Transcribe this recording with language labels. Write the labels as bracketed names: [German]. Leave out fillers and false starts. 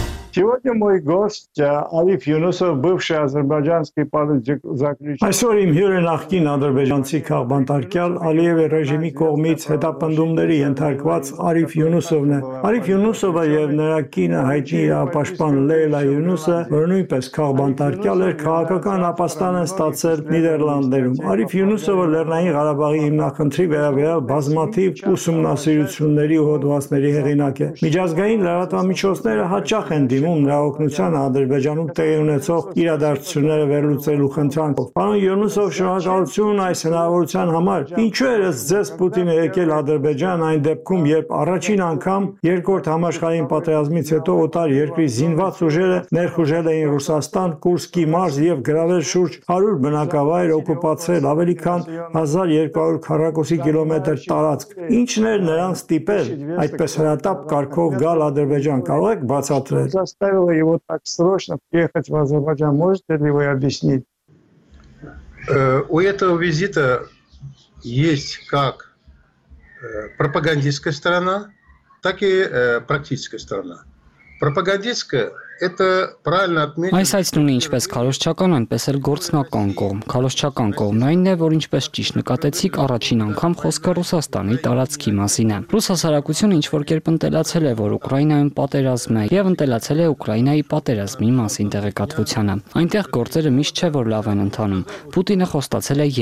[Russian] Сегодня мой гость Алиф Юнусов, бывший азербайджанский политзаключенный. [Armenian] Այսօր իմ հյուրը նախկին ադրբեջանցի քաղբանտարկյալ Ալիևի ռեժիմի կողմից հետապնդումների ենթարկված Արիֆ Յունուսովն է։ Արիֆ Յունուսովը եւ նրա կինը հայտնի իրավապաշտպան Լեյլա Յունուսը, որ նույնպես քաղբանտարկյալ էր, քաղաքական ապաստան են ստացել Նիդերլանդներում։ Արիֆ Յունուսովը Լեռնային Ղարաբաղի հիմնադրի վերաբերյալ բազմաթիվ ուսումնասիրությունների ու հոդվածների հեղինակ է։ Միջազգային լրատվամիջոցները հաճախ են դիմում նրա օգնության Ադրբեջանում տեղի ունեցող իրադարձությունները վերլուծելու խնդրանքով։ Պարոն Յունուսով, շնորհակալություն այս հնարավորության համար։ Ինչու էր ձեզ Պուտինը եկել Ադրբեջան այն դեպքում, երբ առաջին անգամ երկրորդ համաշխարհային պատերազմից հետո օտար երկրի զինված ուժերը ներխուժել էին Ռուսաստան, Կուրսկի մարզ և գրավել շուրջ 100 բնակավայր, օկուպացել ավելի քան 1200 քառակուսի կիլոմետր տարածք։ Ինչն էր նրան ստիպել այդպես հրատապ կարգով գալ Ադրբեջան, կարող եք բացատրել։ [Russian] заставило его так срочно приехать в Азербайджан. Можете ли вы объяснить? У этого визита есть как пропагандистская сторона, так и практическая сторона. Пропагандистская Это правильно отметить. [Armenian] Այս այցն ունի ինչպես քարոշչական, այնպես էլ գործնական կողմ։ Քարոշչական կողմն այն է, որ ինչպես ճիշտ նկատեցիք, առաջին անգամ խոսքը Ռուսաստանի տարածքի մասին է։ Ռուսհասարակությունը ինչ որ կերպ ընտելացել է, որ Ուկրաինայում պատերազմ է, եւ ընտելացել է Ուկրաինայի պատերազմի մասին տեղեկատվությունը։ Այնտեղ գործերը միշտ չէ, որ լավ են ընթանում։ Պուտինը խոստացել է